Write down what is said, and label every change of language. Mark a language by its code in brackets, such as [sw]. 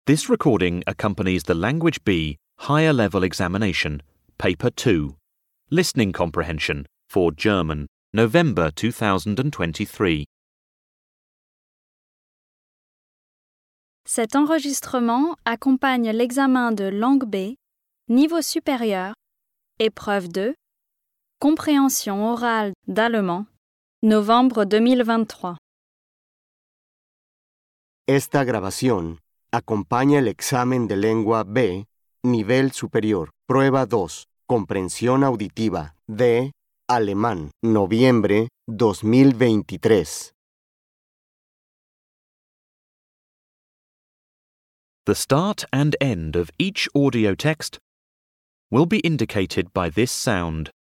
[en] This recording accompanies the Language B Higher Level Examination, Paper 2, Listening Comprehension for German, November 2023. [fr] Cet enregistrement accompagne l'examen de Langue B, Niveau supérieur, Épreuve 2, Compréhension orale d'allemand, November 2023. [es] Esta grabación acompaña el examen de lengua B, nivel superior, prueba 2, comprensión auditiva, de alemán, noviembre 2023. [en] The start and end of each audio text will be indicated by this sound.